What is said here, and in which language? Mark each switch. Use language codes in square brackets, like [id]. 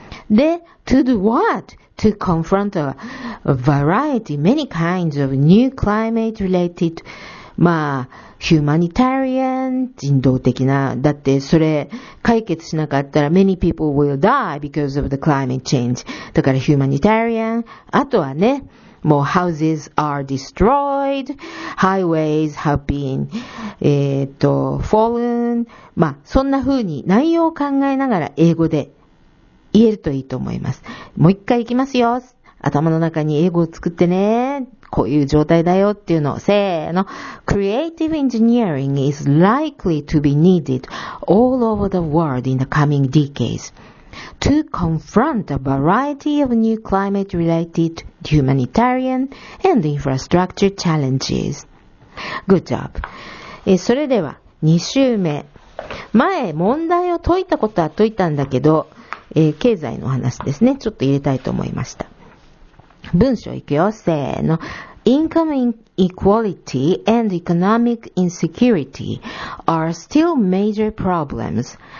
[en] で、to do what? To confront a variety, many kinds of new climate related, まあ、humanitarian, [ja] 人道的な。だって、それ、解決しなかったら [en] many people will die because of the climate change. [ja] だから humanitarian. あとはね、もう [en] houses are destroyed, highways have been, fallen. [ja] まあ、そんな風に内容を考えながら英語で言えるといいと思います。もう一回行きますよ。頭の中に英語を作ってね。こういう状態だよっていうのを。せーの。 [en] Creative engineering is likely to be needed all over the world in the coming decades. To confront a variety of new climate-related humanitarian and infrastructure challenges. Good job. [ja] それでは、2週目。前、問題を解いたことは解いたんだけど、経済の話ですね。ちょっと入れたいと思いました。文章いくよ。せーの。 [en] Income inequality and economic insecurity are still major problems.